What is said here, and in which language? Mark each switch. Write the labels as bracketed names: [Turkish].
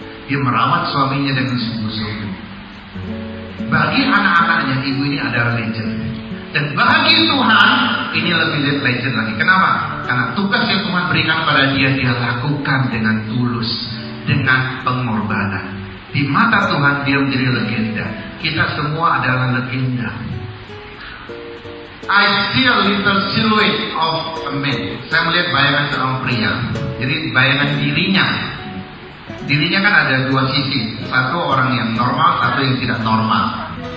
[Indonesian] dia merawat suaminya dengan sungguh-sungguh. Bagi anak-anaknya, ibu ini adalah legend. Dan bagi Tuhan, ini lebih legend lagi. Kenapa? Karena tugas yang Tuhan berikan pada dia, dia lakukan dengan tulus, dengan pengorbanan. Di mata Tuhan, dia menjadi legenda. Kita semua adalah legenda. [English] I see a little silhouette of a man. [Indonesian] Saya melihat bayangan seorang pria. Jadi bayangan dirinya. Dirinya kan ada dua sisi. Satu orang yang normal, satu yang tidak normal.